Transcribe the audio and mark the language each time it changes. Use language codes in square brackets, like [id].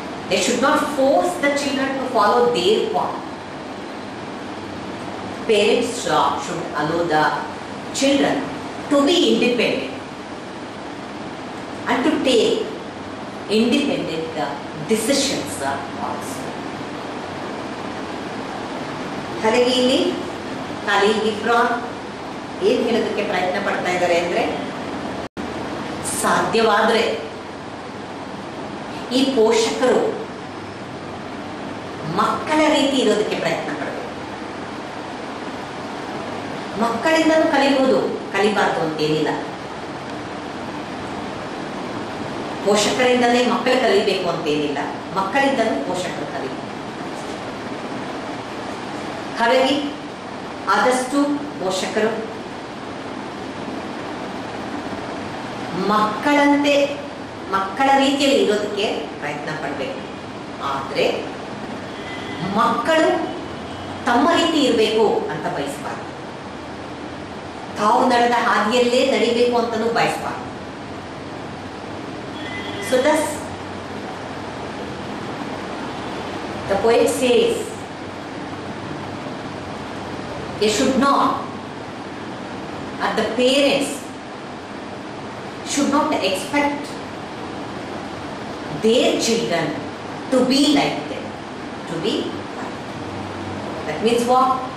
[en] They should not force the children to follow their path. Parents should allow the children to be independent. and to take independent decisions also. [kn] ಹಲಗೆಯಲ್ಲಿ ತಲೆಯಲ್ಲಿಬ್ರೋ ಏನು ಹೇಳೋದಕ್ಕೆ ಪ್ರಯತ್ನ ಪಡ್ತಾ ಇದ್ದಾರೆ ಅಂದ್ರೆ, ಸಾಧ್ಯವಾದ್ರೆ ಈ ಪೋಷಕರು ಮಕ್ಕಳ ರೀತಿ ಇರೋದಕ್ಕೆ ಪ್ರಯತ್ನ ಪಡಬೇಕು. ಮಕ್ಕಳಿಂದ ಕಲಿಬಹುದು, ಕಲಿಬಾರ್ದು ಅಂತೇನಿಲ್ಲ. ಪೋಷಕರಿಂದಲೇ ಮಕ್ಕಳು ಕಲಿಬೇಕು ಅಂತೇನಿಲ್ಲ, ಮಕ್ಕಳಿಂದಲೂ ಪೋಷಕರು ಕಲಿಬೇಕು. ಹಾಗಾಗಿ ಆದಷ್ಟು ಪೋಷಕರು ಮಕ್ಕಳಂತೆ ಮಕ್ಕಳ ರೀತಿಯಲ್ಲಿ ಇರೋದಕ್ಕೆ ಪ್ರಯತ್ನ ಪಡಬೇಕು. ಆದರೆ ಮಕ್ಕಳು ತಮ್ಮ ರೀತಿ ಇರಬೇಕು ಅಂತ ಬಯಸಬಾರ್ದು. ತಾವು ನಡೆದ ಹಾದಿಯಲ್ಲೇ ನಡೀಬೇಕು ಅಂತಲೂ ಬಯಸಬಾರ್ದು. [en] So thus, the poet says, they should not, and the parents should not expect their children to be like them, to be like them. That means what?